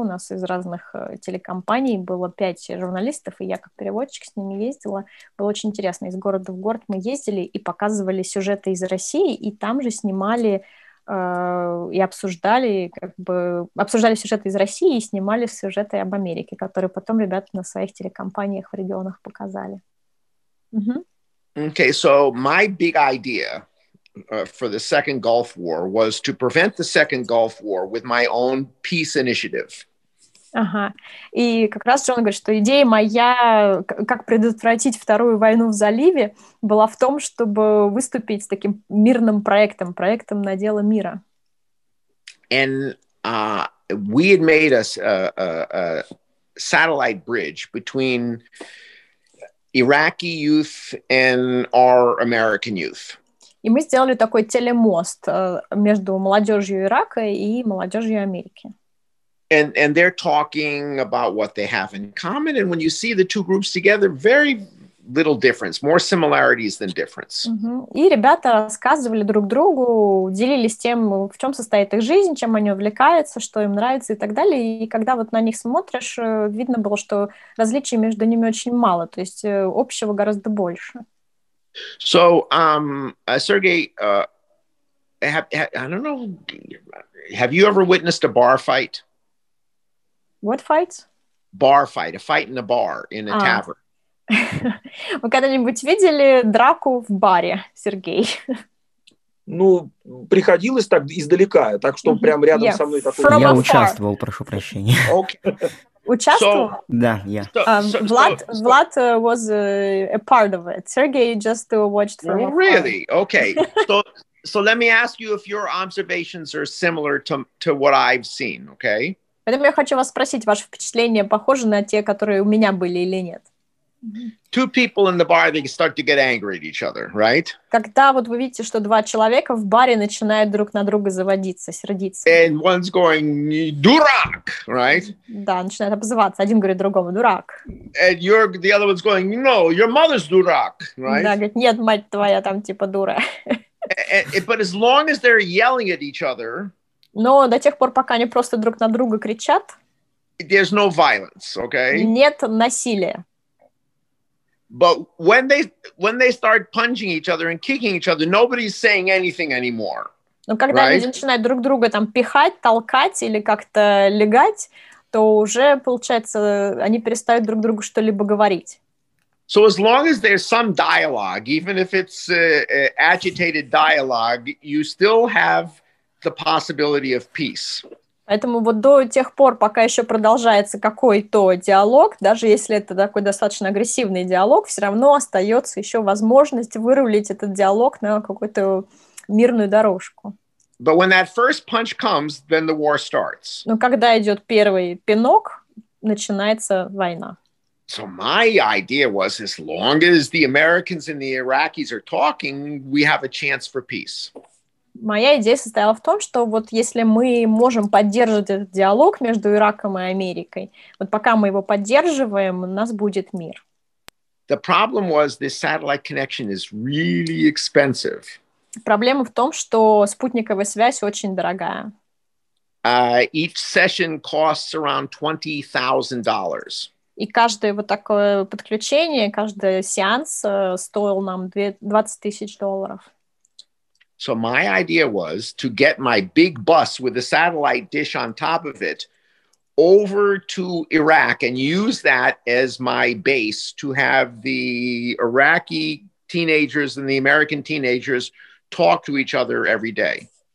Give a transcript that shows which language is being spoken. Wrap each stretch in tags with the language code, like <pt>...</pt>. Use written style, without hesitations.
<ru>У нас из разных телекомпаний было 5 журналистов, и я как переводчик с ними ездила. Было очень интересно. Из города в город мы ездили и показывали сюжеты из России, и там же снимали и обсуждали, как бы, обсуждали сюжеты из России и снимали сюжеты об Америке, которые потом ребята на своих телекомпаниях в регионах показали. Mm-hmm.</ru> <en>Okay, so my big idea for the second Gulf War was to prevent the second Gulf War with my own peace initiative.</en> <ru>Ага, и как раз Джон говорит, что идея моя, как предотвратить вторую войну в заливе, была в том, чтобы выступить с таким мирным проектом, проектом на дело мира.</ru> <en>And we had made a satellite bridge between Iraqi youth and our American youth.</en> <ru>И мы сделали такой телемост между молодежью Ирака и молодежью Америки.</ru> <en>And they're talking about what they have in common. And when you see the two groups together, very little difference, more similarities than difference.</en> <ru>Mm-hmm. И ребята рассказывали друг другу, делились тем, в чем состоит их жизнь, чем они увлекаются, что им нравится и так далее. И когда вот на них смотришь, видно было, что различий между ними очень мало, то есть общего гораздо больше.</ru> <en>So, Сергей, I don't know, have you ever witnessed a bar fight? What fight? Bar fight, a fight in a bar, in a tavern.</en> <ru>Вы когда-нибудь видели драку в баре, Сергей? Ну, приходилось так издалека, так что прям рядом со мной такой. Я участвовал, прошу прощения. Участвовал? Да, я.</ru> <en>Влад was a part of it. Сергей just watched for it. Really? Okay. So let me ask you if your observations are similar to what I've seen, okay?</en> <ru>Поэтому я хочу вас спросить, ваши впечатления похожи на те, которые у меня были или нет?</ru> <en>Two people in the bar, they start to get angry at each other, right?</en> <ru>Когда вот вы видите, что два человека в баре начинают друг на друга заводиться, сердиться.</ru> <en>And one's going, дурак, right?</en> <ru>Да, начинают обзываться. Один говорит другому, дурак.</ru> <en>And you're, the other one's going, no, your mother's дурак, right?</en> <ru>Да, говорит, нет, мать твоя там типа дура.</ru> <en>But as long as they're yelling at each other,</en> <ru>но до тех пор, пока они просто друг на друга кричат,</ru> <en>there's no violence, okay?</en> <ru>Нет насилия.</ru> <en>But when they start punching each other and kicking each other, nobody's saying anything anymore.</en> <ru>Но когда</ru> <en>right?</en> <ru>они начинают друг друга там пихать, толкать или как-то легать, то уже получается они перестают друг другу что-либо говорить.</ru> <en>So as long as there's some dialogue, even if it's agitated dialogue, you still have the possibility of peace.</en> <ru>Поэтому вот до тех пор, пока еще продолжается какой-то диалог, даже если это такой достаточно агрессивный диалог, все равно остается еще возможность вырулить этот диалог на какую-то мирную дорожку.</ru> <en>But when that first punch comes, then the war starts.</en> <ru>Но когда идет первый пинок, начинается война.</ru> <en>So my idea was, as long as the Americans and the Iraqis are talking, we have a chance for peace.</en> <ru>Моя идея состояла в том, что вот если мы можем поддерживать этот диалог между Ираком и Америкой, вот пока мы его поддерживаем, у нас будет мир.</ru> <en>The problem was this satellite connection is really expensive.</en> <ru>Проблема в том, что спутниковая связь очень дорогая.</ru> <en>Each session costs around $20,000.</en> <ru>И каждое вот такое подключение, каждый сеанс стоил нам $20,000.</ru> <en>So my idea was to get my big bus with a satellite dish on top of it over to Iraq and use that as my base to have the Iraqi teenagers and the American teenagers talk to each other every day.</en>